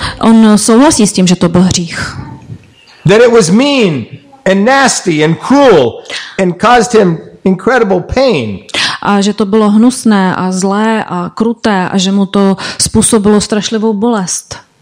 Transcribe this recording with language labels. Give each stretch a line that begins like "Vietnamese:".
Czech: On souhlasí s tím, že to byl hřích.
English: That it was mean and nasty and cruel and caused him incredible pain.
Czech: A že to bylo hnusné a zlé a kruté a že mu to způsobilo strašlivou bolest.